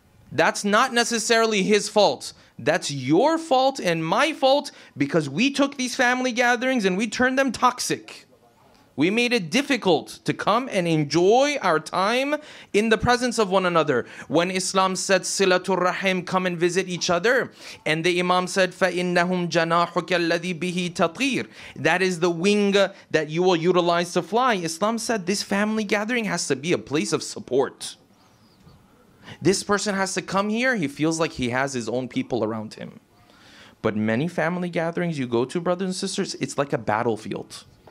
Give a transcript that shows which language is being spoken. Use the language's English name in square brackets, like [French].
[English] That's not necessarily his fault. That's your fault and my fault because we took these family gatherings and we turned them toxic. We made it difficult to come and enjoy our time in the presence of one another. When Islam said, Silatul Rahim, come and visit each other. And the Imam said, [Arabic] فَإِنَّهُمْ جَنَاحُكَ الَّذِي بِهِ تَطِيرْ. [English] That is the wing that you will utilize to fly. Islam said, this family gathering has to be a place of support. This person has to come here. He feels like he has his own people around him. But many family gatherings you go to, brothers and sisters, it's like a battlefield.